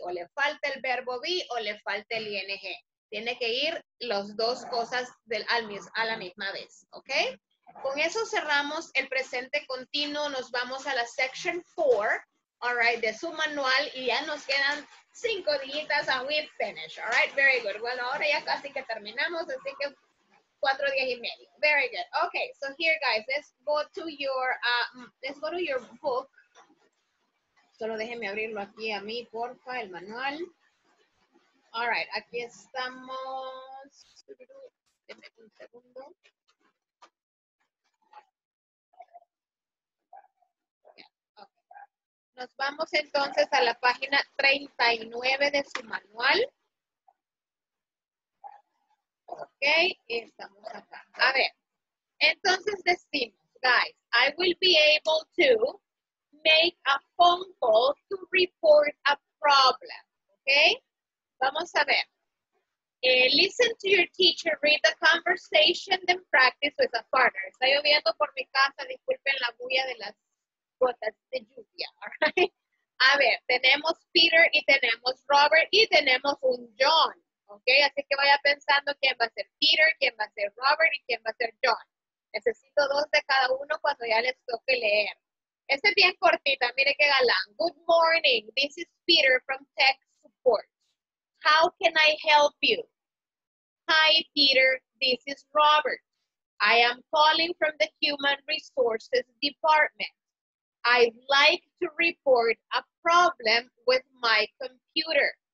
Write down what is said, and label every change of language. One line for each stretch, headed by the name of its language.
Spanish: O le falta el verbo be o le falta el ing. Tiene que ir las dos cosas a la misma vez. ¿Okay? Con eso cerramos el presente continuo. Nos vamos a la section 4,
English: all right,
Spanish: de su manual. Y ya nos quedan 5 días
English: and we finish. All right, very good.
Spanish: Bueno, ahora ya casi que terminamos, así que... 4 días y medio.
English: Very good. Okay, so here, guys, let's go to your book.
Spanish: Solo déjeme abrirlo aquí a mí, porfa, el manual.
English: All right,
Spanish: aquí estamos. Deme un segundo. Yeah, okay. Nos vamos entonces a la página 39 de su manual. Ok, estamos acá. A ver, entonces decimos, guys,
English: I will be able to make a phone call to report a problem.
Spanish: Ok, vamos a ver.
English: Listen to your teacher, read the conversation, then practice with a partner.
Spanish: Está lloviendo por mi casa, disculpen la bulla de las gotas de lluvia,
English: alright?
Spanish: A ver, tenemos Peter y tenemos Robert y tenemos un John, ok? Así que vaya pensando quién va a ser Peter, quién va a ser Robert y quién va a ser John. Necesito dos de cada uno cuando ya les toque leer. Este es bien cortita, mire qué galán.
English: Good morning, this is Peter from Tech Support. How can I help you? Hi, Peter. This is Robert. I am calling from the Human Resources Department. I'd like to report a problem with my computer.